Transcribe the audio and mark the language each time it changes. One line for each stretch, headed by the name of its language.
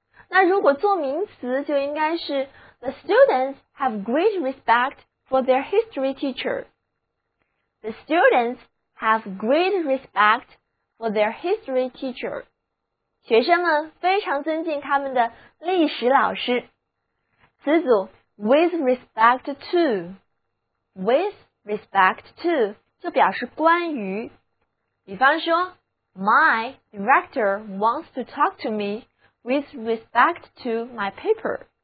Chinese: 那如果做名词就应该是
English: The students have great respect for their history teacher.
Chinese: 学生们非常尊敬他们的历史老师。
English: 词组 with respect to
Chinese: 就表示关于，比方说
English: My director wants to talk to me with respect to my paper.